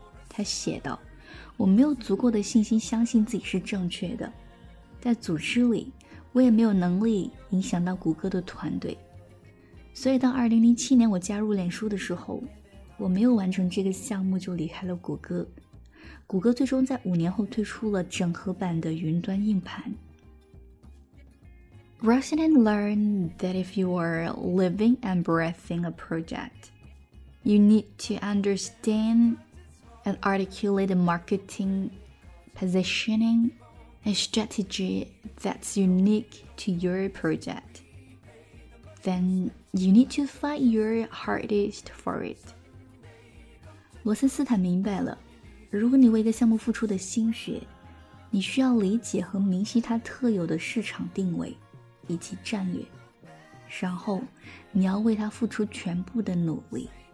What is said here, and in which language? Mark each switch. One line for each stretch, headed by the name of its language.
Chinese: 他写道，我没有足够的信心相信自己是正确的，在组织里我也没有能力影响到谷歌的团队，所以到2007年我加入脸书的时候，我没有完成这个项目就离开了谷歌。谷歌最终在5年后推出了整合版的云端硬盘。
English: Rasanti learned that if you are living and breathing a project, you need to understand and articulate the marketing positioning and strategy that's unique to your project. Then you need to fight your hardest for it.
Chinese: 罗森斯坦明白了，如果你为一个项目付出的心血，你需要理解和明晰它特有的市场定位。以及战略，然后你要为他付出全部的努力。